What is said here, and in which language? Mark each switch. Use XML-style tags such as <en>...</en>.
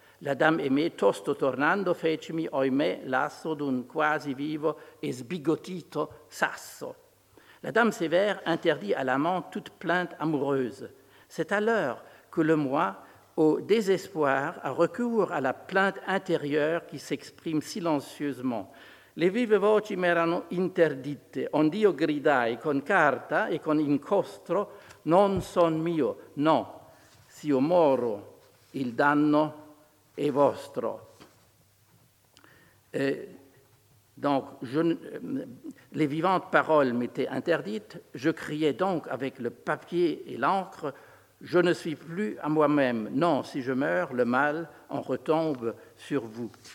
<fr>La dame aimée,</fr> <it>tosto tornando, fecimi oimè l'asso d'un quasi vivo e sbigottito sasso.</it> <fr>La dame sévère interdit à l'amant toute plainte amoureuse. C'est alors que le moi, au désespoir, a recours à la plainte intérieure qui s'exprime silencieusement.</fr> <it>Le vive voci m'erano interdite, ond'io gridai con carta e con incostro, non son mio, non, si io moro, il danno è vostro.</it> <fr>Donc, les vivantes paroles m'étaient interdites, je criais donc avec le papier et l'encre, je ne suis plus à moi-même, non, si je meurs, le mal en retombe sur vous.</fr>